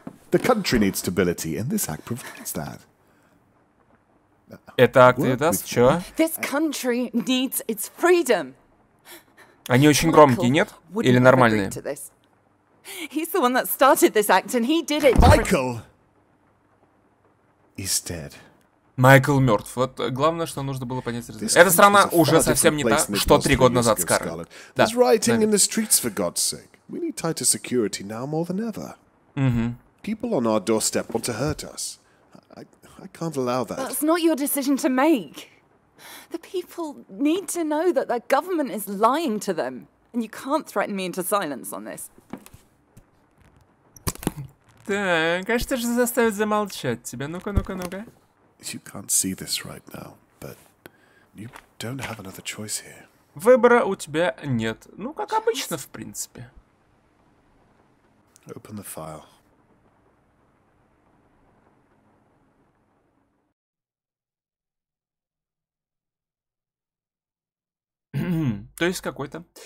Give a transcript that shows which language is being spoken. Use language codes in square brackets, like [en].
[en] The country needs stability, and this act provides that. [ru] Это акт и даст чё? [en] This country needs its freedom. [ru] Они очень громкие, нет? Или нормальные? [en] He's the one that started this act, and he did it. Michael is dead. [ru] Michael мертв. Вот главное, что нужно было понять. Эта страна уже совсем не та, что три года назад, Скарлетт. Да. [en] There's rioting in the streets, for God's sake. We need tighter security now more than ever. People on our doorstep want to hurt us. I can't allow that. That's not your decision to make. The people need to know that their government is lying to them, and you can't threaten me into silence on this. [ru] Так, а что же заставит замолчать тебя? Ну-ка. [en] You can't see this right now, but you don't have another choice here. [ru] Выбора у тебя нет. Ну, как обычно, в принципе. [en] Open the file. [ru] То есть какой-то...